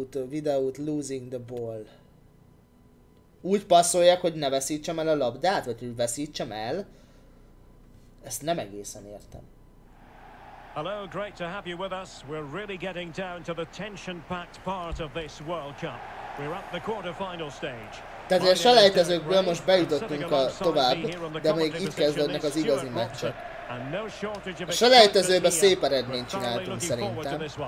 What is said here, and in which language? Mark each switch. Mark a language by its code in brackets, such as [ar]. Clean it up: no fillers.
[en] Without losing the ball. [hu] Úgy passzoljak, hogy ne veszítsem el a labdát, vagy hogy veszítsem el. Ezt nem egészen értem. [en] Hello, great to have you with us. We're really getting down to the tension-packed part of this World Cup. We're up the quarterfinal stage. [hu] Tehát a selejtezőkből most bejutottunk a tovább, de még itt kezdődnek az igazi meccsek. A selejtezőben szép eredményt csináltunk szerintem.